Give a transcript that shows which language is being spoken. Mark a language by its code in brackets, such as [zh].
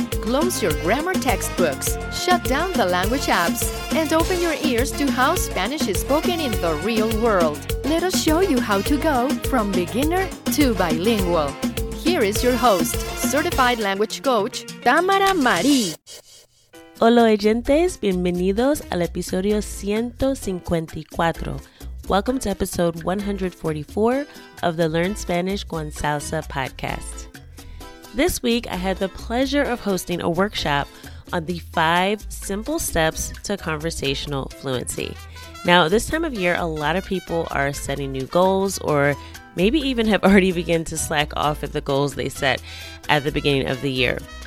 [en] Close your grammar textbooks, shut down the language apps, and open your ears to how Spanish is spoken in the real world. Let us show you how to go from beginner to bilingual. Here is your host, certified language coach, Tamara Marie. [es] Hola oyentes, bienvenidos al episodio 154. [en] Welcome to episode 144 of the Learn Spanish con Salsa podcast. This week, I had the pleasure of hosting a workshop on the 5 simple steps to conversational fluency. Now, this time of year, a lot of people are setting new goals or maybe even have already begun to slack off at the goals they set at the beginning of the year.